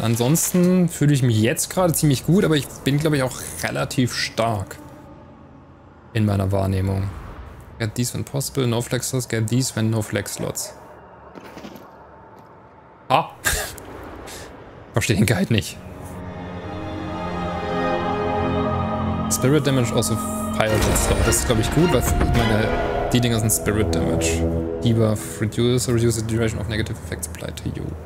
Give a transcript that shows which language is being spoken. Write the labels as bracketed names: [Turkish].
[German] Ansonsten fühle ich mich jetzt gerade ziemlich gut, aber ich bin, glaube ich, auch relativ stark in meiner Wahrnehmung. [English] Get these when possible, no flex slots, get these when no flex slots. [German] Ah! Verstehe den Guide nicht. [English] Spirit Damage also fire jet slot. [German] Das ist, glaube ich, gut, weil meine, die Dinger sind Spirit Damage. [English] Debuff, reduce the duration of negative effects applied to you.